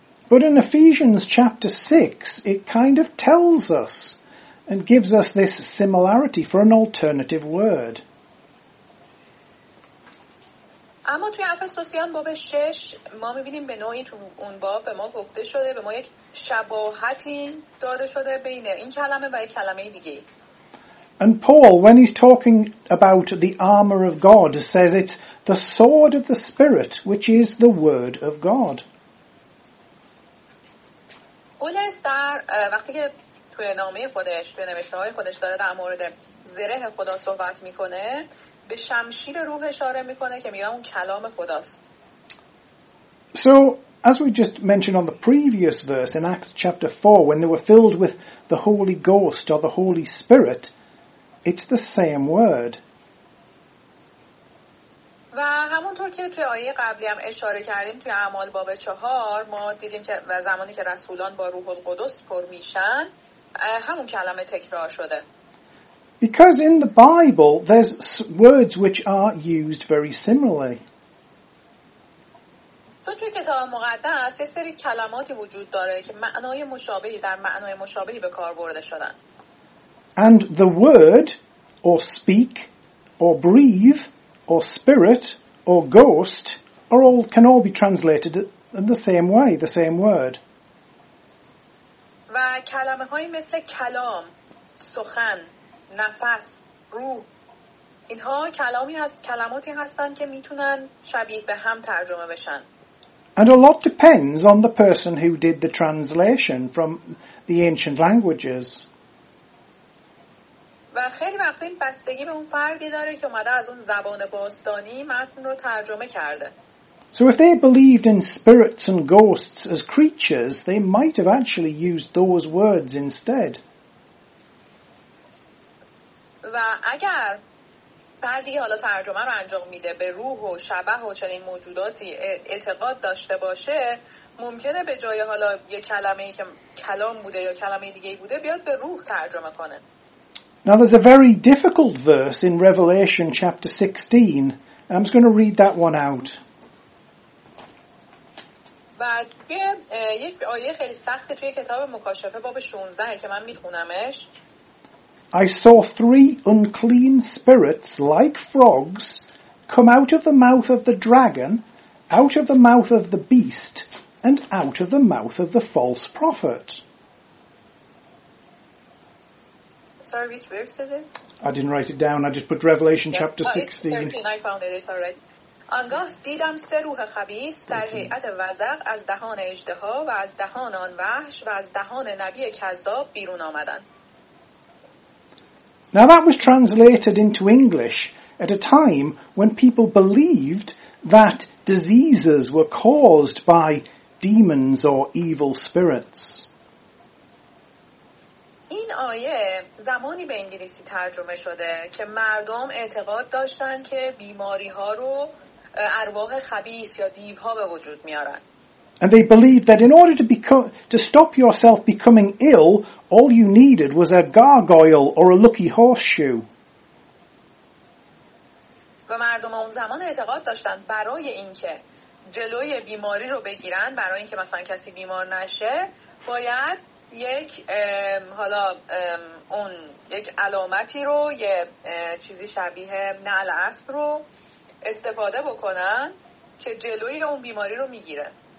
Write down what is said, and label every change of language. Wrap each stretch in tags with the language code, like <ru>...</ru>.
<en>But in Ephesians chapter 6, it kind of tells us and gives us this similarity for an alternative word.</en> <fa>اما توی افسوسیان باب 6 ما می‌بینیم به نوعی تو اون باب به ما گفته شده به ما یک شباهتی داده شده بین این کلمه و کلمه دیگه.</fa> <en>And Paul when he's talking about the armor of God says it's the sword of the spirit which is the word of God.</en> <fa>پولس در وقتی که توی نامه خودش توی نوشته های خودش داره در مورد زره خدا صحبت میکنه به شمشیر روح اشاره میکنه که میگه اون کلام خداست.</fa> <en>So as we just mentioned on the previous verse in Acts chapter 4 when they were filled with the Holy Ghost or the Holy Spirit it's the same word.</en> <fa>و همونطور که توی آیه قبلی هم اشاره کردیم توی اعمال باب 4 ما دیدیم که زمانی که رسولان با روح القدس پر میشن همون کلمه تکرار شده.</fa> <en>Because in the Bible there's words which are used very similarly.</en> <fa>تو توی کتاب مقدس یه سری کلماتی وجود داره که معنای مشابهی در معنای مشابهی به کار برده شدن.</fa> <en>And the word or speak or breathe or spirit or ghost are all can all be translated in the same way, the same word.</en> <fa>و کلمه‌های مثل کلام، سخن، نفس، روح، اینها کلامی هست، کلماتی هستند که میتونن شبیه به هم ترجمه بشن.</fa> <en>And a lot depends on the person who did the translation from the ancient languages.</en> <fa>و خیلی وقتا این بستگی به اون فردی داره که اومده از اون زبان باستانی متن رو ترجمه کرده.</fa> <en>So if they believed in spirits and ghosts as creatures, they might have actually used those words instead.</en> <fa>و اگر فردی حالا ترجمه رو انجام میده به روح و شبح و چنین موجوداتی اعتقاد داشته باشه، ممکنه به جای حالا یه کلمه‌ای که کلام بوده یا کلمه دیگه بوده بیاد به روح ترجمه کنه.</fa> <en>Now there's a very difficult verse in Revelation chapter 16. I'm just going to read that one out.</en> <fa>بعد یک آیه خیلی سخت توی کتاب مکاشفه باب 16 که من میخونمش.</fa> <en>I saw three unclean spirits like frogs come out of the mouth of the dragon, out of the mouth of the beast, and out of the mouth of the false prophet. Sorry, which verse is it? I didn't write it down. I just put Revelation chapter 16. It's 13. I found it. It's all right.</en> <fa>آنگاه دیدم سه روح خبیث در هیئت وزغ از دهان اژدها و از دهان آن وحش و از دهان نبی کذاب بیرون آمدند.</fa> <en>Now that was translated into English at a time when people believed that diseases were caused by demons or evil spirits.</en> <fa>این آیه زمانی به انگلیسی ترجمه شده که مردم اعتقاد داشتن که بیماری‌ها رو ارواح خبیث یا دیوها به وجود میارن.</fa> <en>And they believed that in order to stop yourself becoming ill, all you needed was a gargoyle or a lucky horseshoe.</en> <fa>و مردم اون زمان اعتقاد داشتن برای اینکه جلوی بیماری رو بگیرن، برای اینکه مثلا کسی بیمار نشه، باید یک علامتی رو، یه چیزی شبیه نعل اسب رو استفاده بکنن که جلوی اون بیماری رو میگیره.</fa>